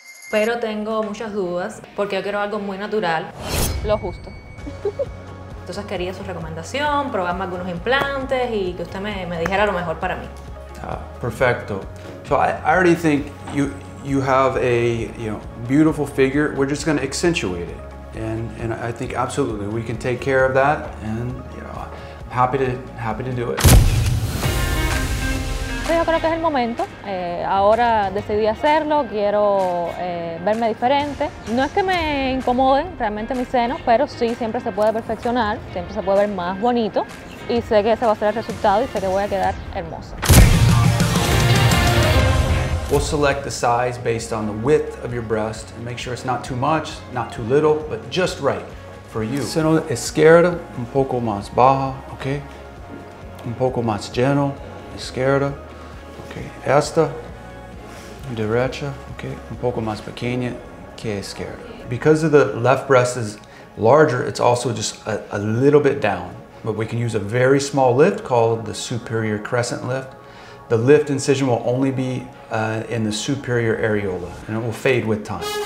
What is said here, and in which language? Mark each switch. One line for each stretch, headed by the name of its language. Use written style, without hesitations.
Spanish: Pero tengo muchas dudas porque yo quiero algo muy natural. Lo justo. Entonces quería su recomendación, probarme algunos implantes y que usted me dijera lo mejor para mí. Perfecto.
English: So I already think you have a, you know, beautiful figure. We're just going to accentuate it. And I think absolutely we can take care of that, and you know, I'm happy to do it.
Spanish: Yo creo que es el momento, ahora decidí hacerlo, quiero verme diferente. No es que me incomoden realmente mis senos, pero sí, siempre se puede perfeccionar, siempre se puede ver más bonito y sé que ese va a ser el resultado y sé que voy a quedar hermosa.
English: We'll select the size based on the width of your breast and make sure it's not too much, not too little, but just right for you.
Spanish: Seno izquierda, un poco más baja, ok? Un poco más lleno, izquierda. Okay. Esta, derecha, okay, un poco más pequeña que izquierda.
English: Because of the left breast is larger, it's also just a little bit down. But we can use a very small lift called the superior crescent lift. The lift incision will only be in the superior areola, and it will fade with time.